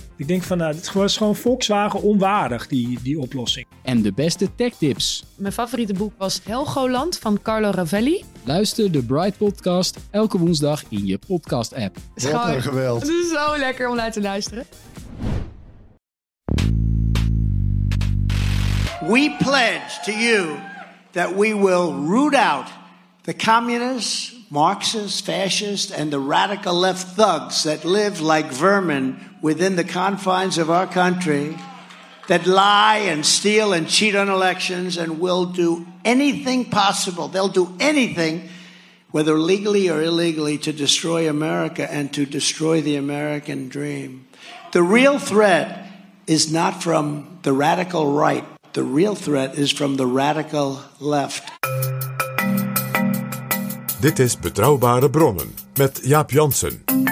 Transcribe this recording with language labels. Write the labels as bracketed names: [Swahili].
[Dutch] Ik denk van, het was gewoon Volkswagen onwaardig, die oplossing. En de beste tech tips. Mijn favoriete boek was Helgoland van Carlo Rovelli. Luister de Bright Podcast elke woensdag in je podcast app. Wat een geweld. Het is zo lekker om naar te luisteren. [English] We pledge to you that we will root out the communists, Marxists, fascists, and the radical left thugs that live like vermin within the confines of our country, that lie and steal and cheat on elections, and will do anything possible. They'll do anything, whether legally or illegally, to destroy America and to destroy the American dream. The real threat is not from the radical right. The real threat is from the radical left. [Dutch] Dit is Betrouwbare Bronnen met Jaap Janssen.